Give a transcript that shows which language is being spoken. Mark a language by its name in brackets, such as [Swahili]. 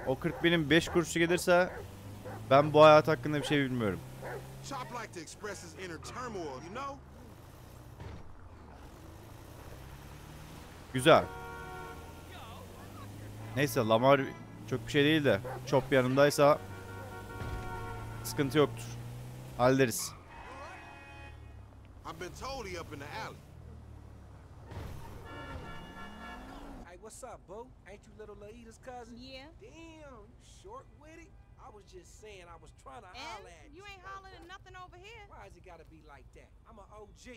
[Turkish] O 40,000'in 5 kuruşu gelirse ben bu hayat hakkında bir şey bilmiyorum. [English] Chop like to express his inner turmoil, you know? [Turkish] Güzel. Neyse, Lamar çok bir şey değil de Chop yanındaysa sıkıntı yoktur. Hallederiz. [English] I've been told he up in the alley. Hey, what's up, Bo? Ain't you little Laida's cousin? Yeah. Damn, you short witty. I was just saying I was trying to holler at you. You ain't hollering at nothing over here. Why has it gotta be like that? I'm an OG.